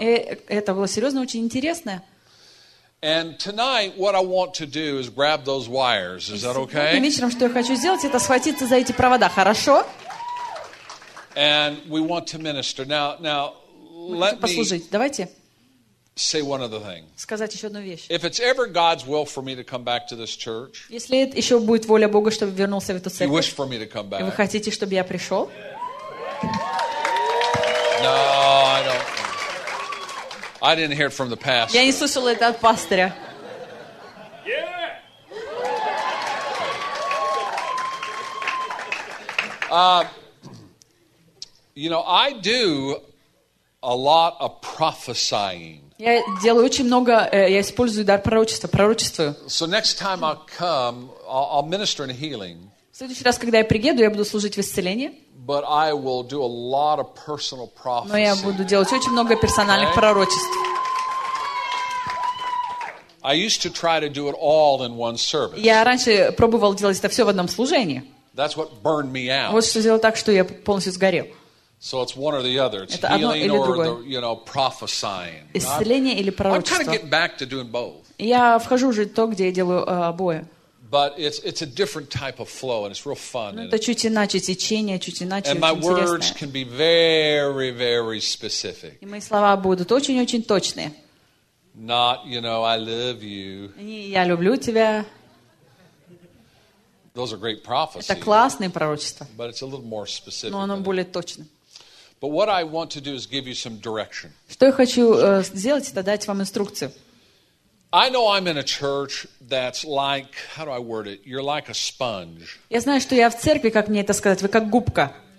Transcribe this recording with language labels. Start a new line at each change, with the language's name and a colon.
Russian: И это было серьезно очень интересно.
English: And tonight what I want to do is grab those wires. Is that okay?
Russian: И вечером что я хочу сделать это схватиться за эти провода, хорошо?
English: And we want to minister. Now let me
Russian: послужить. Давайте.
English: Say one other thing.
Russian: Сказать еще одну вещь.
English: If it's ever God's will for me to come back to this church.
Russian: Если это еще будет воля Бога, чтобы вернулся в эту церковь.
English: You wish for me to come back.
Russian: Вы хотите, чтобы я пришел?
English: No, I don't. I didn't hear it from the pastor.
Russian: Я не слышал это от пастора.
English: You know, I do a lot of prophesying.
Russian: Я делаю очень много, я использую дар пророчества, пророчествую.
English: So next time I come, I'll minister in healing.
Russian: В следующий раз, когда я приеду, я буду служить в исцелении.
English: But I will do a lot of personal prophecy.
Russian: Но я буду делать очень много персональных okay? пророчеств.
English: I used to try to do it all in one service.
Russian: Я раньше пробовал делать это все в одном служении.
English: That's what burned me out.
Russian: Вот что сделало так, что я полностью сгорел.
English: So it's one or the other. It's
Russian: это
English: healing or
Russian: другое.
English: The, you know, prophesying.
Russian: Исцеление или пророчество.
English: I'm kind of getting back to doing both.
Russian: Я вхожу уже то, где я делаю обои.
English: But it's a different type of flow and it's real fun.
Russian: Это чуть иначе течение, чуть иначе.
English: And my words can be very, very specific.
Russian: И мои слова будут очень-очень точные.
English: Not, you know, I love you.
Russian: Не, я люблю тебя.
English: Those are great prophecies.
Russian: Это классные пророчества.
English: But it's a little more specific.
Russian: Но оно более точно.
English: But what I want to do is give you some direction.
Russian: Что я хочу сделать, это дать вам инструкцию.
English: I know I'm in a church that's like, how do I word it? You're like a sponge.
Russian: Я знаю, что я в церкви, как мне это сказать, вы как губка.